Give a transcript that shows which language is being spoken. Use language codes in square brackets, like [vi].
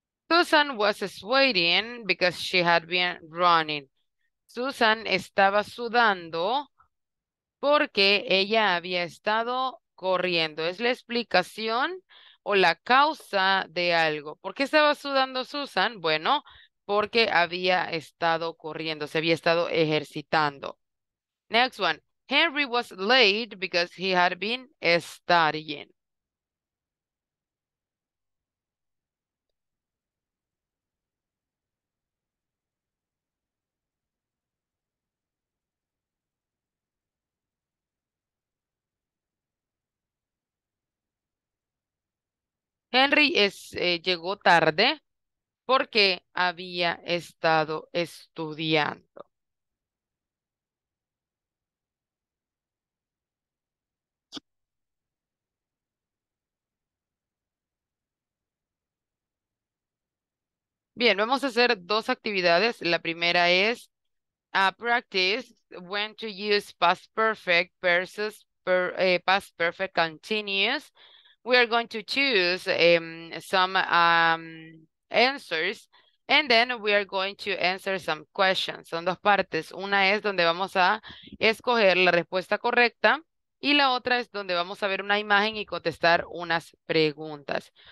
[en] Susan was sweating because she had been running. [es] Susan estaba sudando porque ella había estado corriendo. Es la explicación o la causa de algo. ¿Por qué estaba sudando Susan? Bueno, porque había estado corriendo, se había estado ejercitando. [en] Next one. Henry was late because he had been studying. [es] Henry llegó tarde porque había estado estudiando. Bien, vamos a hacer dos actividades. La primera es [en] practice when to use past perfect versus past perfect continuous. We are going to choose some answers and then we are going to answer some questions. [es] Son dos partes. Una es donde vamos a escoger la respuesta correcta y la otra es donde vamos a ver una imagen y contestar unas preguntas.